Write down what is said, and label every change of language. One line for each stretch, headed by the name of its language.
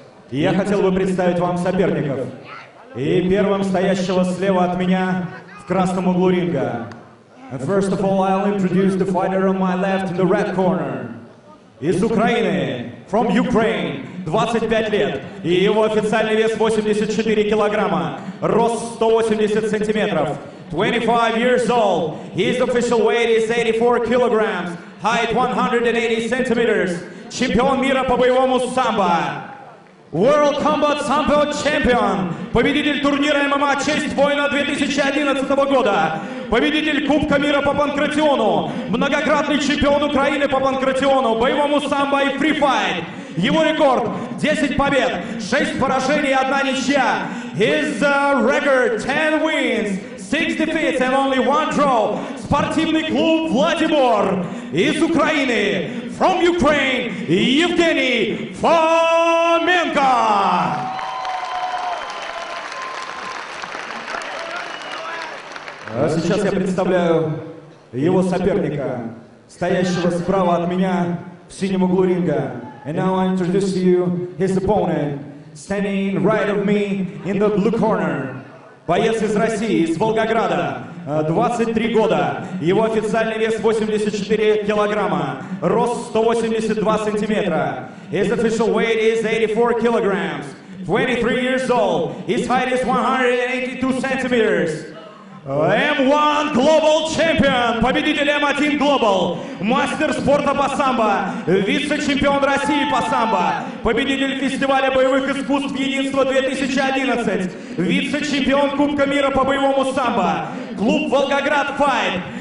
Russian: Я хотел бы представить вам соперников. И первым стоящего слева от меня в красном углу ринга.
English: And first of all, I'll introduce the fighter on my left in the red corner.
Russian: Из Украины,
English: from Ukraine,
Russian: 25 лет. И его официальный вес 84 килограмма. Рост 180 сантиметров.
English: 25 years old. His official weight is 84 kilograms. Height 180 centimeters.
Russian: Чемпион мира по боевому самбо.
English: World Combat Sambo Champion,
Russian: победитель турнира ММА «Честь воина» 2011 года, победитель Кубка мира по панкратиону, многократный чемпион Украины по панкратиону, боевому самбо и фрифайт. Его рекорд – 10 побед, 6 поражений и 1 ничья.
English: His record – 10 wins, 6 defeats and only 1 draw.
Russian: Спортивный клуб «Владимир» из Украины.
English: From Ukraine, Евгений Фоменко.
Russian: Сейчас я представляю его соперника, стоящего справа от меня в синем углу ринга.
English: And now I introduce you his opponent, standing right of me in the blue corner.
Russian: Боец из России, из Волгограда, 23 года, его официальный вес 84 килограмма, рост 182 сантиметра.
English: His official weight is 84 kilograms, 23 years old, his height is 182 centimeters.
Russian: M1 Global Champion, победитель M1 Global, мастер спорта по самбо, вице-чемпион России по самбо, победитель фестиваля боевых искусств «Единство 2011», вице-чемпион Кубка мира по боевому самбо, клуб «Волгоград Fight».